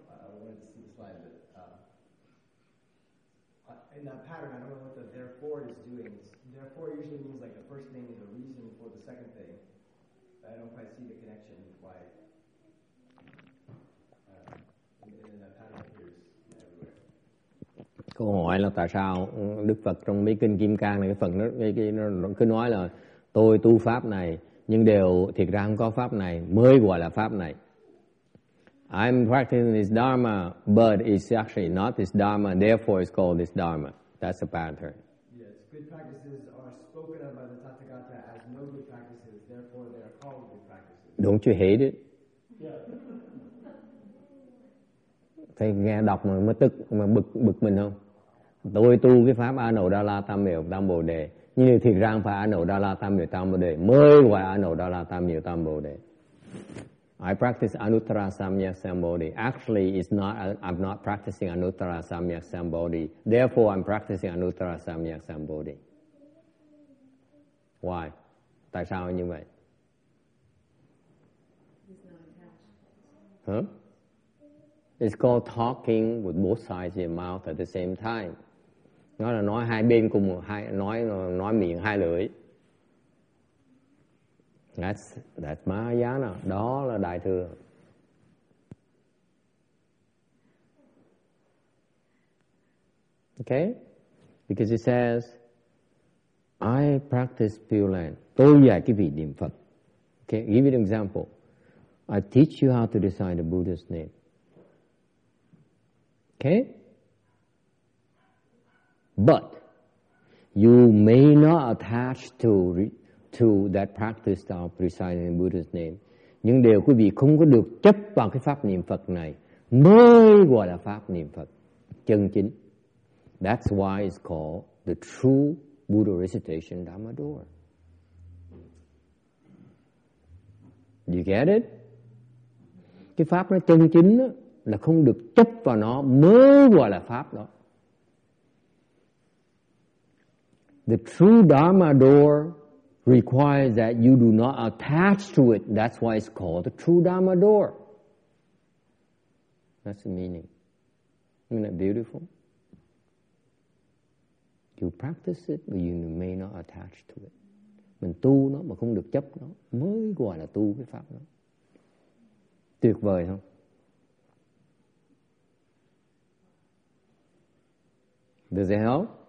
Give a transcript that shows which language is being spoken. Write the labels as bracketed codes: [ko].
[en] I wanted to see the slide, but in that pattern, I don't know what the therefore is doing. Therefore usually means like the first thing is a reason for the second thing. But I don't quite see the connection why in that pattern appears everywhere. [vi] Câu hỏi là tại sao Đức Phật trong mấy kinh Kim Cang này, cái phần nó cứ nói là tôi tu pháp này, nhưng đều thiệt ra không có pháp này, mới gọi là pháp này. [en] I'm practicing this dharma, but it's actually not this dharma, therefore it's called this dharma. That's a pattern. Yes, good practices are spoken of by the Tathagata as no good practices, therefore they are called good practices. Don't you hate it? Yeah. [vi] Thầy nghe đọc mà mới tức, mà bực mình không? Tôi tu cái pháp Anuddhala Tamiyo Tambodhe. Nhưng thiệt ra phải Anuddhala Tamiyo Tambodhe. Mới gọi Anuddhala Tamiyo Tambodhe. [en] I practice Anuttara Samyaksambodhi. Actually, it's not. I'm not practicing Anuttara Samyaksambodhi. Therefore, I'm practicing Anuttara Samyaksambodhi. Why? [vi] Tại sao như vậy? Huh? [en] It's called talking with both sides of your mouth at the same time. [vi] Nó là nói hai bên cùng hai nói miệng hai lưỡi. [en] That's Mahayana. [vi] Đó là đại thừa. [en] Okay? Because it says I practice pure land. [vi] Tôi dạy cái vị niệm Phật. [en] Okay, give you an example. I teach you how to recite the Buddha's name. Okay? But you may not attach to that practice of reciting the Buddha's name. [vi] Nhưng điều quý vị không có được chấp vào cái pháp niệm Phật này mới gọi là pháp niệm Phật chân chính. [en] That's why it's called the true Buddha recitation Dhamma door. You get it? [vi] Cái pháp nó chân chính đó, là không được chấp vào nó mới gọi là pháp đó. [en] The true Dhamma door requires that you do not attach to it. That's why it's called the true Dhamma door. That's the meaning. Isn't that beautiful? You practice it, but you may not attach to it. [vi] Mình tu nó mà không được chấp nó, mới gọi là tu cái pháp đó. Tuyệt vời không? Được rồi không?